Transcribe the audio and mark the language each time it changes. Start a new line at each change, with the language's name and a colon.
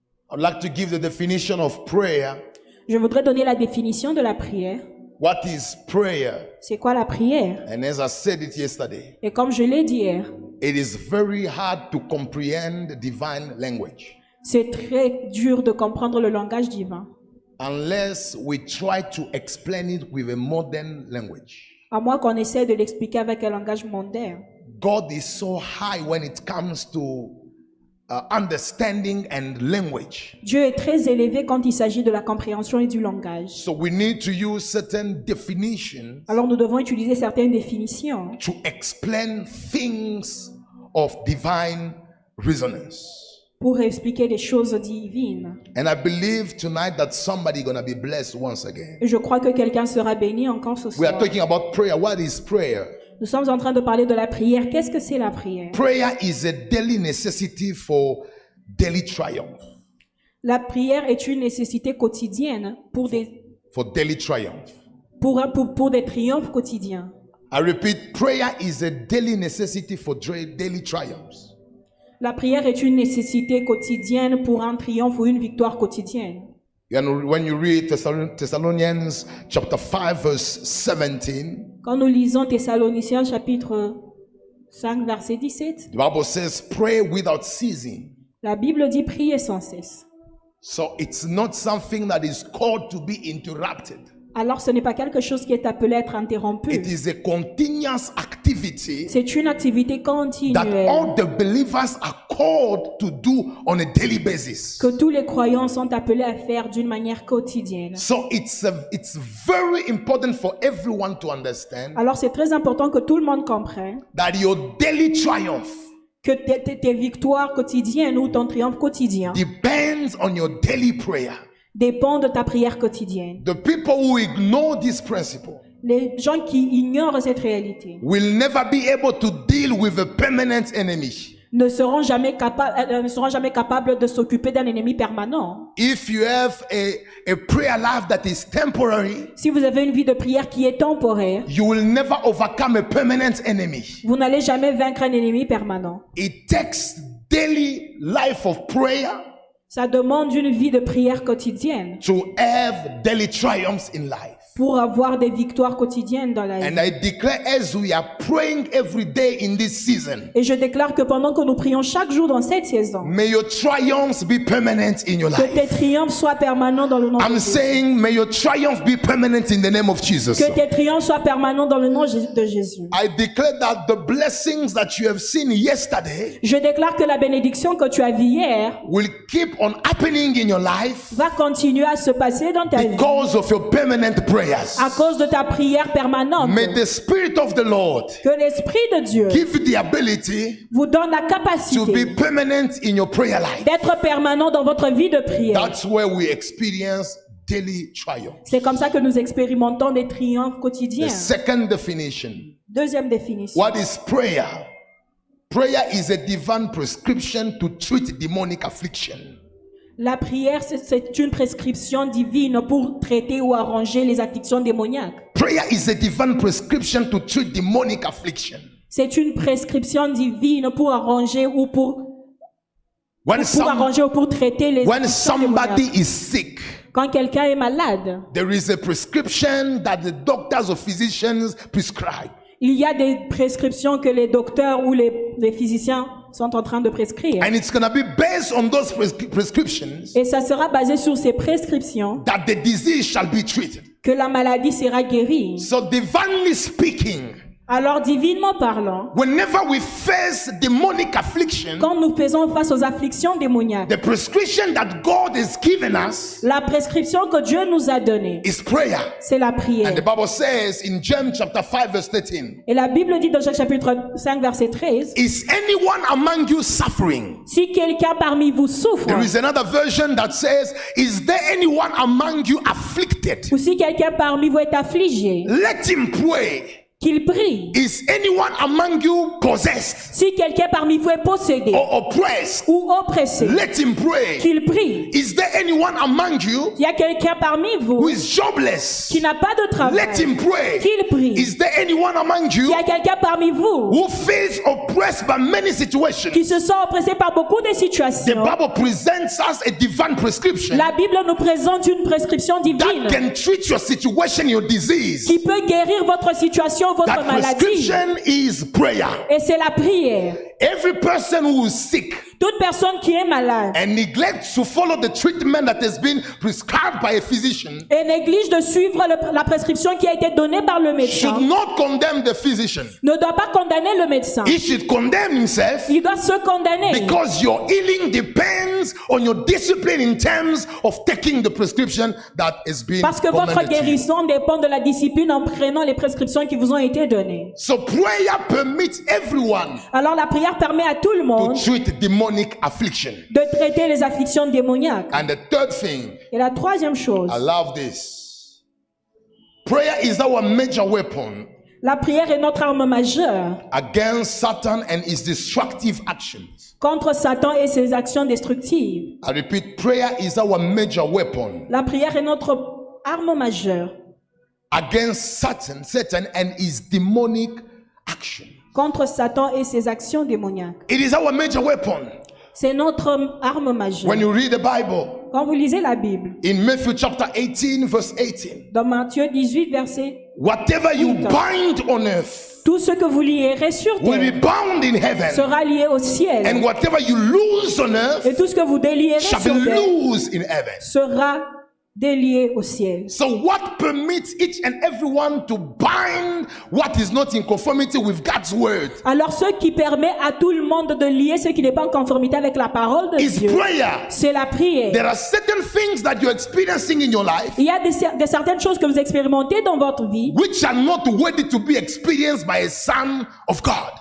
English: I'd like to give the definition of prayer.
French: Je voudrais donner la définition de la prière.
English: What is prayer?
French: C'est quoi la prière?
English: And as I said it yesterday.
French: Et comme je l'ai dit hier.
English: It is very hard to comprehend divine language.
French: C'est très dur de comprendre le langage divin.
English: Unless we try to explain it with a modern language.
French: À moins qu'on essaie de l'expliquer avec un langage mondain.
English: God is so high when it comes to understanding and language.
French: Dieu est très élevé quand il s'agit de la compréhension et du langage.
English: So we need to use certain definitions.
French: Alors nous devons utiliser certaines définitions.
English: To explain things of divine resonance.
French: Pour expliquer les choses divines.
English: And I believe tonight that somebody is going to be blessed once again.
French: Je crois que quelqu'un sera béni encore ce soir.
English: We are talking about prayer. What is prayer?
French: Nous sommes en train de parler de la prière. Qu'est-ce que c'est la prière?
English: Prayer is a daily necessity for daily triumph.
French: La prière est une nécessité quotidienne pour des
English: for daily triumph.
French: Pour des triomphes quotidiens.
English: I repeat, prayer is a daily necessity for daily triumphs.
French: La prière est une nécessité quotidienne pour un triomphe ou une victoire quotidienne.
English: When you read Thessalonians chapter 5 verse 17.
French: Quand nous lisons Thessaloniciens chapitre 5 verset 17.
English: The Bible says pray without ceasing.
French: La Bible dit prier sans cesse.
English: So it's not something that is called to be interrupted.
French: Alors ce n'est pas quelque chose qui est appelé à être interrompu.
English: It is a continuous activity.
French: C'est une activité continue.
English: That all the believers are called to do on a daily basis.
French: Que tous les croyants sont appelés à faire d'une manière quotidienne.
English: So it's very important for everyone to understand.
French: Alors c'est très important que tout le monde comprenne.
English: That your daily triumph.
French: Que tes victoires quotidiennes ou ton triomphe quotidien.
English: Depends on your daily prayer.
French: Dépend de ta prière quotidienne.
English: The people who ignore this principle,
French: les gens qui ignorent cette réalité,
English: will never be able to deal with a permanent enemy.
French: ne seront jamais capables de s'occuper d'un ennemi permanent.
English: If you have a prayer life that is temporary,
French: si vous avez une vie de prière qui est temporaire,
English: you will never overcome a permanent enemy.
French: Vous n'allez jamais vaincre un ennemi permanent.
English: It takes daily life of prayer.
French: Ça demande une vie de prière quotidienne.
English: To have daily triumphs in life.
French: Pour avoir des victoires quotidiennes dans la vie.
English: And I declare as we are praying every day in this season.
French: Et je déclare que pendant que nous prions chaque jour dans cette saison.
English: May your triumphs be permanent in your life.
French: Que tes triomphes soient permanents dans le nom de Jésus.
English: I'm saying may your triumph be permanent in the name of Jesus.
French: Que tes triomphes soient permanents dans le nom de Jésus.
English: I declare that the blessings that you have seen yesterday.
French: Je déclare que la bénédiction que tu as vue hier.
English: Will keep on happening in your life.
French: Va continuer à se passer dans ta vie.
English: Because of your permanent prayer.
French: À cause de ta prière permanente.
English: May the Spirit of the Lord,
French: que l'Esprit de Dieu,
English: give the ability,
French: vous donne la capacité,
English: to be permanent in your prayer life.
French: D'être permanent dans votre vie de prière.
English: That's where we experience daily triumphs.
French: C'est comme ça que nous expérimentons des triomphes quotidiens.
English: The second definition.
French: Deuxième définition.
English: What is prayer? Prayer is a divine prescription to treat demonic affliction.
French: La prière, c'est une prescription divine pour traiter ou arranger les afflictions démoniaques.
English: Prayer is a divine prescription to treat demonic affliction.
French: C'est une prescription divine pour arranger ou pour
English: when
French: ou pour arranger ou pour traiter les
English: when somebody is sick.
French: Quand quelqu'un est malade.
English: There is a prescription that the doctors or physicians prescribe.
French: Il y a des prescriptions que les docteurs ou les physiciens sont en train de prescrire.
English: And it's gonna be based on those prescriptions.
French: Et ça sera basé sur ces prescriptions.
English: That the disease shall be treated.
French: Que la maladie sera guérie.
English: So divinely speaking.
French: Alors divinement parlant.
English: Whenever we face demonic affliction.
French: Quand nous faisons face aux afflictions démoniaques.
English: The prescription that God has given us.
French: La prescription que Dieu nous a donnée.
English: Is prayer.
French: C'est la prière.
English: And the Bible says in James chapter 5 verse 13.
French: Et la Bible dit dans Jacques chapitre 5 verset 13.
English: Is anyone among you suffering?
French: Si quelqu'un parmi vous souffre.
English: There is another version that says, is there anyone among you afflicted?
French: Ou si quelqu'un parmi vous est affligé.
English: Let him pray.
French: Qu'il prie.
English: Is anyone among you possessed?
French: Si quelqu'un parmi vous est possédé.
English: Or oppressed?
French: Ou oppressé.
English: Let him pray.
French: Qu'il prie.
English: Is there anyone among you?
French: Y a quelqu'un parmi vous?
English: Who is jobless?
French: Qui n'a pas de travail?
English: Let him pray.
French: Qu'il prie.
English: Is there anyone among you?
French: Y a quelqu'un parmi vous?
English: Who feels oppressed by many situations?
French: Qui se sent oppressé par beaucoup de situations?
English: The Bible presents us a divine prescription.
French: La Bible nous présente une prescription divine.
English: That can treat your situation, your disease.
French: Qui peut guérir votre situation.
English: That prescription is prayer.
French: Et c'est la prière.
English: Every person who is sick.
French: Toute personne qui est malade.
English: And neglects to follow the treatment that has been prescribed by a physician.
French: Et néglige de suivre la prescription qui a été donnée par le médecin.
English: Should not condemn the physician.
French: Ne doit pas condamner le médecin.
English: He should condemn himself.
French: Il doit se condamner.
English: Because your healing depends on your discipline in terms of taking the prescription that has been.
French: Parce que votre guérison dépend de la discipline en prenant les prescriptions qui vous ont été données.
English: So prayer permits everyone.
French: Alors la prière permet à tout le monde.
English: To treat demonic affliction.
French: De traiter les afflictions démoniaques.
English: And the third thing.
French: Et la troisième chose.
English: I love this. Prayer is our major weapon.
French: La prière est notre arme majeure.
English: Against Satan and his destructive actions.
French: Contre Satan et ses actions destructives.
English: I repeat, prayer is our major weapon.
French: La prière est notre arme majeure.
English: Against Satan and his demonic actions.
French: Contre Satan et ses actions démoniaques.
English: It is our major weapon.
French: C'est notre arme majeure.
English: When you read the Bible,
French: quand vous lisez la Bible.
English: In Matthew chapter 18, verse 18.
French: Dans Matthieu 18, verset 18.
English: Whatever you bind on earth.
French: Tout ce que vous lierez sur terre
English: will be bound in heaven.
French: Sera lié au ciel.
English: And whatever you lose on earth.
French: Et tout ce que vous délierez
English: shall
French: sur terre.
English: Lose in heaven.
French: Sera délié au ciel.
English: So what permits each and everyone to bind what is not in conformity with God's word?
French: Alors ce qui permet à tout le monde de lier ce qui n'est pas en conformité avec la parole de
English: is
French: Dieu.
English: Prayer.
French: C'est la prière.
English: There are certain things that you're experiencing in your life.
French: Il y a des certaines choses que vous expérimentez dans votre vie.
English: Which are not worthy to be experienced by a son of God.